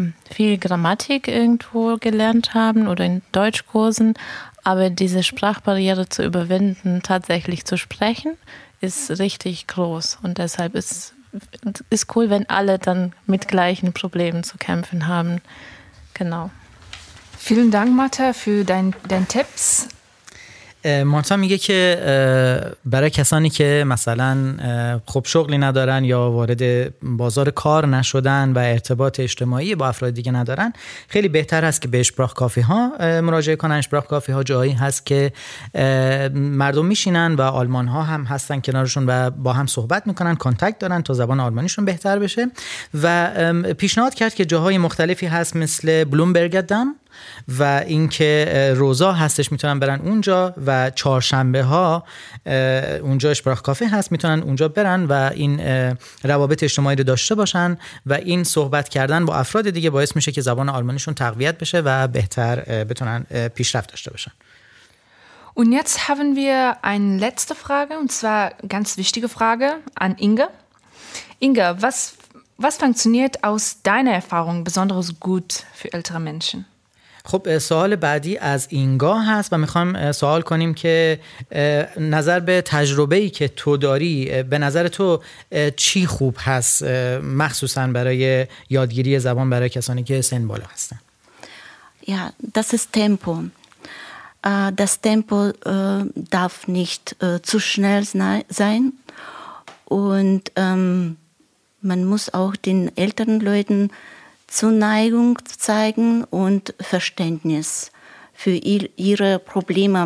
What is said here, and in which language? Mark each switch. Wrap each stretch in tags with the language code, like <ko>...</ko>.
<de>viel Grammatik irgendwo gelernt haben oder in Deutschkursen, aber diese Sprachbarriere zu überwinden, tatsächlich zu sprechen, ist richtig groß. Und deshalb ist cool, wenn alle dann mit gleichen Problemen zu kämpfen haben. Genau. Vielen Dank, Marta, für dein Tipps.</de> <fa>مارتا میگه که برای کسانی که مثلا خوب شغلی ندارن یا وارد بازار کار نشدن و ارتباط اجتماعی با افراد دیگه ندارن خیلی بهتر هست که به اشپراخ کافی ها مراجعه کنن. اشپراخ کافی ها جایی هست که مردم میشینن و آلمان ها هم هستن کنارشون و با هم صحبت میکنن، کانتکت دارن تا زبان آلمانیشون بهتر بشه و پیشنهاد کرد که جاهای مختلفی هست مثل بلومبرگر دام و اینکه روزا هستش، میتونن برن اونجا و چهارشنبه ها اونجا اشپراخ کافه هست، میتونن اونجا برن و این روابط اجتماعی رو داشته باشن و این صحبت کردن با افراد دیگه باعث میشه که زبان آلمانیشون تقویت بشه و بهتر بتونن پیشرفت داشته باشن.</fa> <de>Und jetzt haben wir eine letzte Frage und zwar ganz wichtige Frage an Inge. Inge, was funktioniert aus deiner Erfahrung besonders gut für ältere Menschen?</de> <fa>خب سوال بعدی از اینگا هست و میخوام سوال کنیم که نظر به تجربه‌ای که تو داری، به نظر تو چی خوب هست مخصوصا برای یادگیری زبان برای کسانی که سن بالا هستن؟</fa> <de>یا das ist Tempo. Das Tempo darf nicht zu schnell sein und man muss auch den älteren Leuten Zuneigung zeigen und Verständnis für ihre Probleme.</de>